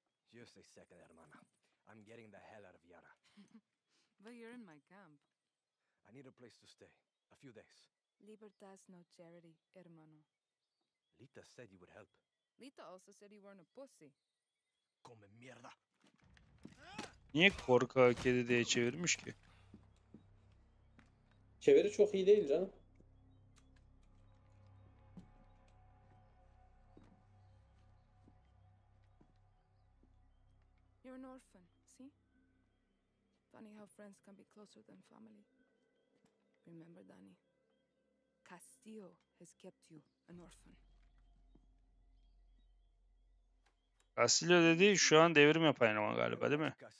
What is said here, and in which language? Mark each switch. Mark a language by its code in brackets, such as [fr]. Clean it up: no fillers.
[en] Just a second, hermana. I'm getting the hell out of Yara. But you're in my camp. I need a place to stay. A few days. Libertas no charity, hermano. Lita said you would help. Lita also said you weren't a pussy. [es] Come merda. [tr] Niye korkak kedi diye çevirmiş ki? Çeviri çok iyi değil canım. [en] You're an orphan, see? Funny how friends can be closer than family. Remember, Danny? Castillo has kept you an orphan. [tr] Castillo dedi, şu an devrim yapan ama galiba, değil mi?